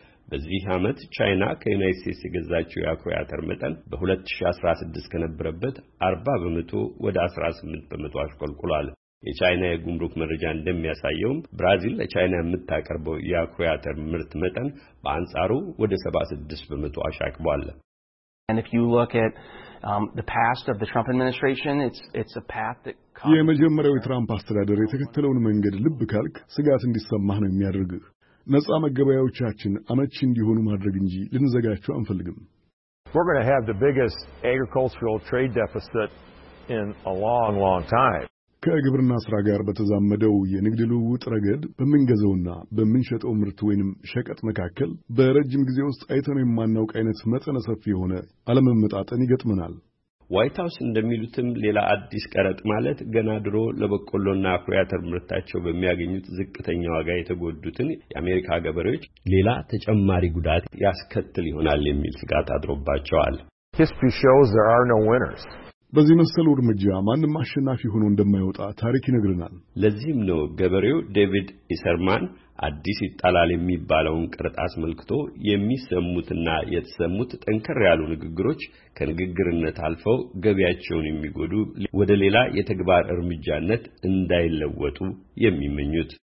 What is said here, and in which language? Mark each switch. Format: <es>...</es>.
<am>በዚህ አመት ቻይና ከዩናይትድ ስቴትስ የገዛችው የአኩሪ አተር መጠን በ2016 ከነበረበት 40% ወደ 18% አሽቆልቁሏል። የቻይና የጉምሩክ መረጃ እንደሚያሳየው ብራዚል ለቻይና የምታቀርበው የአኩሪ አተር ምርት መጠን በአንጻሩ ወደ 76% አሻቅቧል።</am> <en>And if you look at the past of the Trump administration, it's a path that comes</en> <am>የመጀመሪያው የትራምፕ አስተዳደር የተከተለውን መንገድ ልብ ካልክ ስጋት እንዲሰማህ ነው የሚያደርግ። ነጻ መገበያዎቻችን አመቺ እንዲሆኑ ማድረግ እንጂ ልንዘጋቸው አንፈልግም።</am> <en>We're going to have the biggest agricultural trade deficit in a long, long time.</en> <am>ከግብርና ስራ ጋር በተዛመደው የንግድ ልውውጥ ረገድ በመንገዘውና በመንሸጠው ምርት ወይንም ሸቀጥ መካከል በረጅም ጊዜ ውስጥ አይተነው የማናውቀው አይነት መጠነ ሰፊ የሆነ አለመመጣጠን ይገጥመናል። ዋይት ሃውስ እንደሚሉትም ሌላ አዲስ ቀረጥ ማለት ገና ድሮ ለበቆሎና አኩሪ አተር ምርታቸው በሚያገኙት ዝቅተኛ ዋጋ የተጎዱትን የአሜሪካ ገበሬዎች ሌላ ተጨማሪ ጉዳት ያስከትል ይሆናል የሚል ስጋት አድሮባቸዋል።</am> <en>History shows there are no winners.</en> <am>በዚህ መሰል ውርምጃ ማንም አሸናፊ ሆኖ እንደማይወጣ ታሪክ ይነግረናል። ለዚህም ነው ገበሬው ዴቪድ ኢሰርማን አዲስ ይጣላል የሚባለውን ቀረጥ አስመልክቶ የሚሰሙትና የተሰሙት ጠንከር ያሉ ንግግሮች ከንግግርነት አልፈው ገበያቸውን የሚጎዱ ወደ ሌላ የተግባር እርምጃነት እንዳይለወጡ የሚመኙት።</am>